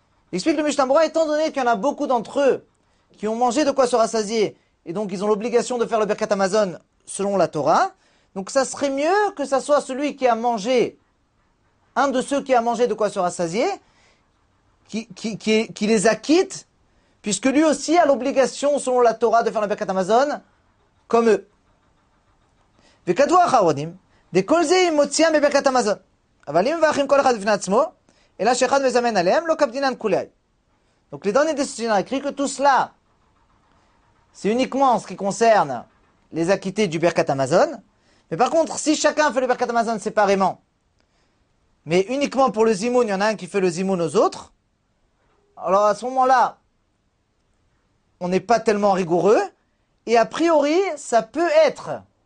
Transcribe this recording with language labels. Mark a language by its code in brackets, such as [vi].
[fr] Explique le Mishnah Berurah, étant donné qu'il y en a beaucoup d'entre eux qui ont mangé de quoi se rassasier, et donc ils ont l'obligation de faire le Birkat Hamazon selon la Torah, donc ça serait mieux que ça soit celui qui a mangé, un de ceux qui a mangé de quoi se rassasier, qui les acquitte, puisque lui aussi a l'obligation selon la Torah de faire le Birkat Hamazon, comme eux. [he] וכתבו האחרונים, דכל זה אם מוציאם בברכת המזון. אבל אם מברכים כל אחד בפני עצמו, אלא שאחד מזמן עליהם, לא קפדינן כולי. [fr] Donc les données de ce scénario, écrit que tout cela, c'est uniquement en ce qui concerne les acquittés du Birkat Hamazon. Mais par contre, si chacun fait le Birkat Hamazon séparément, mais uniquement pour le Zimoun, il y en a un qui fait le Zimoun aux autres, alors à ce moment-là, on n'est pas tellement rigoureux, et a priori, ça peut être...